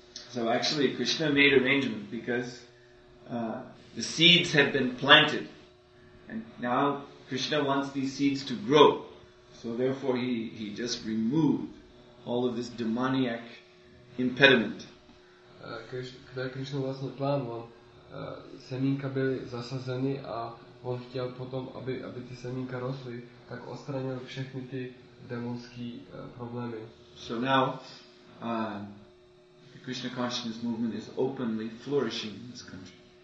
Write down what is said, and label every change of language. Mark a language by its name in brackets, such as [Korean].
[English] So actually Krishna made arrangement because the seeds had been planted and now Krishna wants these seeds to grow. So therefore he just removed all of this demoniac impediment. [Czech] Krishna vlastně plánoval, semínka byly zasazeny a on chtěl potom, aby ty semínka rostly, tak odstranil všechny ty demonské problémy. [English] So now Krishna consciousness movement is openly flourishing in this country.